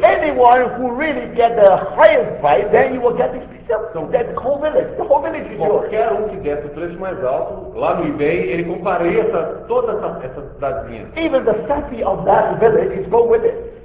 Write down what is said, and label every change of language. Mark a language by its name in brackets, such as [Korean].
[English] Anyone who really get the highest price, then you will get this piece of that whole village. The whole village is yours. [Portuguese] Qualquer um que desse o preço mais alto lá no eBay, ele compraria toda essa cidadezinha. [English] Even the safety of that village is go with it.